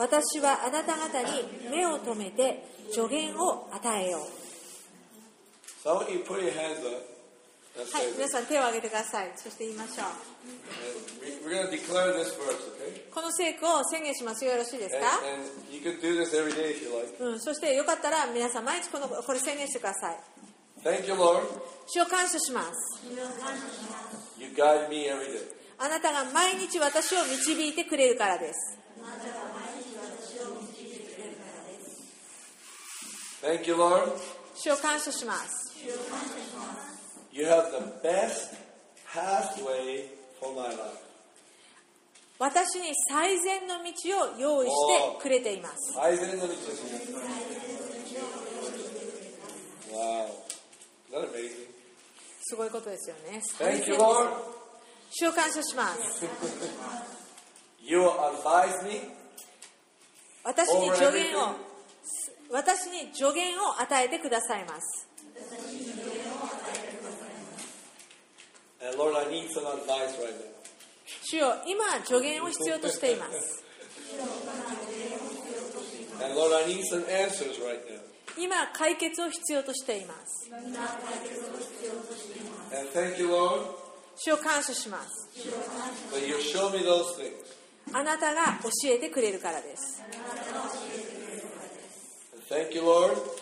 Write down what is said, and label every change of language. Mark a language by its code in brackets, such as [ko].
[ja] 私はあなた方に目を留めて助言を与えよう。 [en] So you put your hands up. [ja] はい、皆さん手を挙げてください。そして言いましょう。 [en] We're gonna declare this verse, okay? [ja] この聖句を宣言しますよ。よろしいですか。 [en] And you could do this every day if you like. [ja] そしてよかったら皆さん毎日これ宣言してください。 [en] Thank you, Lord. [ja] 主を感謝します。 [en] You guide me every day. [ja] あなたが毎日私を導いてくれるからです。 [en] Thank you, Lord. [ja] 主を感謝します。 [en] You have the best pathway for my life. [ja] 私に最善の道を用意してくれています。最善の道ですね。 [en] Wow. Isn't that amazing? [ja] すごいことですよね。 [en] Thank you, Lord. [ja] 主を感謝します。 [en] You advise me. [ja] 私に助言を、私に助言を与えてくださいます。 [en] And Lord, I need some advice right now. [ja] 主よ、今助言を必要としています。 [en] And Lord, I need some answers right now. [ja] 今解決を必要としています。 [en] And thank you, Lord. [ja] 主よ、感謝します。 [en] But you'll show me those things. [ja] あなたが教えてくれるからです。 [en] And thank you, Lord.